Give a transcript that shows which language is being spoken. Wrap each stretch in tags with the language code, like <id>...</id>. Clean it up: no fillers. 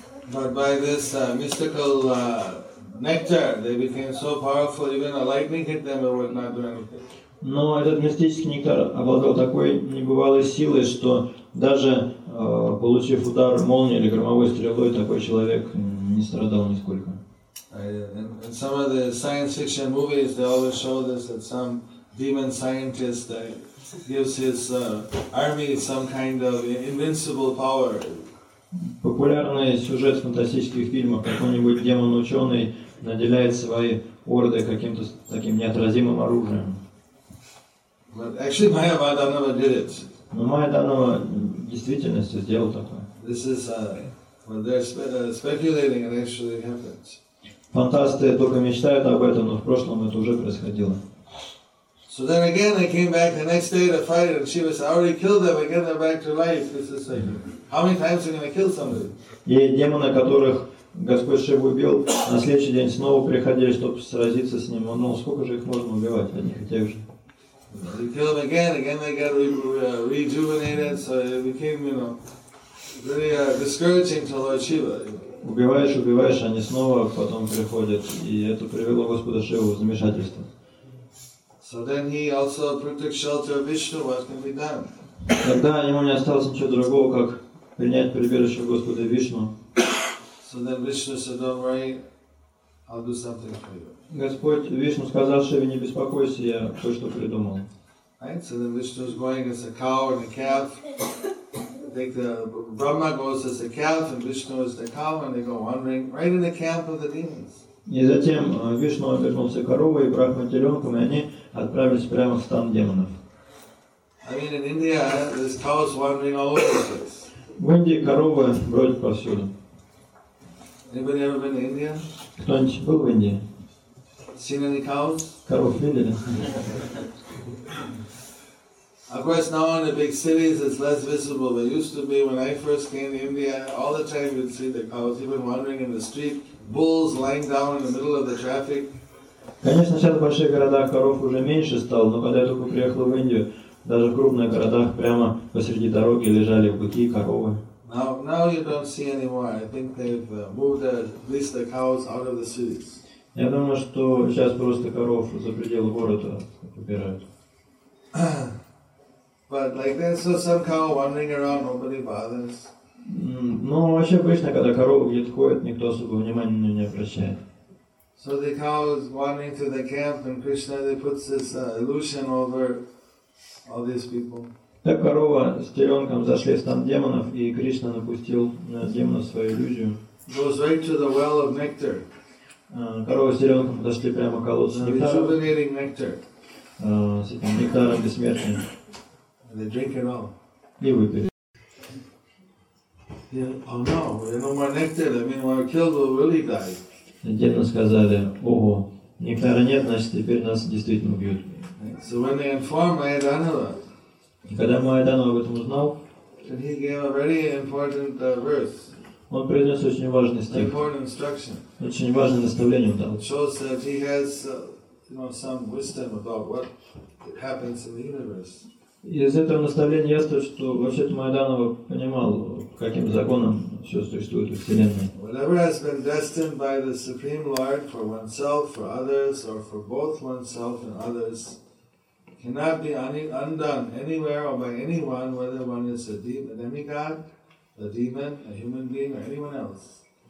<en>But by this mystical nectar, they became so powerful, even a lightning hit them, it would not do anything.</en> <ru>Но этот мистический нектар обладал такой небывалой силой, что даже получив удар молнии или громовой стрелой, такой человек не страдал нисколько.</ru> <en>In some of the science fiction movies, they always show this, that some demon scientist gives his army some kind of invincible power.</en> <ru>Популярный сюжет в фантастических фильмах, какой-нибудь демон-ученый наделяет свои орды каким-то таким неотразимым оружием.</ru> <en>But actually, Майя-данава did it.</en> <ru>Но Майя-данава в действительности сделал такое.</ru> <en>This is what they're speculating, and actually happened.</en> <ru>Фантасты только мечтают об этом, но в прошлом это уже происходило.</ru> <en>So then again, they came back the next day to fight, and she was already killed them again. They're back to life. This is like, how many times are you going to kill somebody?</en> <ru>И демоны, которых Господь Шива убил, на следующий день снова приходили, чтобы сразиться с ним. Ну, сколько же их можно убивать? Они хотели же.</ru> <en>You kill them again they got rejuvenated, so it became, you know, very discouraging to Lord Shiva.</en> <ru>Убиваешь, они снова потом приходят, и это привело Господа Шиву в замешательство.</ru> <en>So then he also took shelter of Vishnu, what can be done?</en> <ru>Тогда ему не осталось ничего другого, как принять прибежище Господа Вишну.</ru> <en>So then Vishnu said, don't worry, I'll do something for you.</en> <ru>Господь Вишну сказал Шиве, не беспокойся, я кое-что придумал.</ru> <en>Right, so then Vishnu is going as a cow and a calf. I think the Brahma goes as a calf and Vishnu is the cow, and they go wandering right in the camp of the demons.</en> <ru>И затем Вишну обернулся коровой и Брахма теленком, и они отправились прямо в стан демонов.</ru> <en>I mean, in India, there's cows wandering all over the place.</en> <ru>В Индии коровы бродят повсюду.</ru> <en>Anybody ever been to India?</en> <ru>Кто-нибудь был в Индии?</ru> <en>Seen any cows?</en> <ru>Коров видели?</ru> <en>Of course, now in the big cities it's less visible, but it used to be when I first came to India, all the time you'd see the cows even wandering in the street, bulls lying down in the middle of the traffic.</en> <ru>Конечно, сейчас в больших городах коров уже меньше стало, но когда я только приехал в Индию, даже в крупных городах прямо посреди дороги лежали быки, коровы.</ru> <en>Now you don't see anymore. I think they've moved at least the cows out of the cities.</en> <ru>Я думаю, что сейчас просто коров за пределы города убирают.</ru> <en>But like that, so some cow wandering around, nobody bothers.</en> <ru>Ну, вообще обычно, когда коровы где-то ходят, никто особо внимания на нее не обращает.</ru> <en>So the cow is wandering through the camp, and Krishna they puts this illusion over all these people.</en> <ru>Так корова с теленком зашли в стан демонов, и Кришна напустил на демона свою иллюзию.</ru> <en>Goes right to the well of nectar.</en> <ru>Корова с теленком подошли прямо к колодцу нектара.</ru> <en>Rejuvenating nectar.</en> <ru>С этим нектаром бессмертным.</ru> <en>And they drink it all.</en> <ru>И выпили.</ru> <en>Yeah. Oh no, we have no more nectar. That means we're killed. We'll really die.</en> <ru>Демоны сказали: «Ого, нектара нет, значит теперь нас действительно убьют».</ru> <en>So when they informed Mayadhanava,</en> <ru>и когда Майданова об этом узнал,</ru> <en>then he gave a very important verse.</en> <ru>Он произнес очень важный стих.</ru> <en>Important instruction.</en> <ru>Очень важное наставление дал.</ru> <en>It shows that he has, you know, some wisdom about what happens in the universe.</en> <ru>Из этого наставления ясно, что вообще-то Майданова понимал, каким законом все существует в Вселенной.</ru> <en>Whatever has been destined by the Supreme Lord for oneself, for others, or for both oneself and others, cannot be undone anywhere or by anyone, whether one is a demigod, a demon, a human being, or anyone else.</en>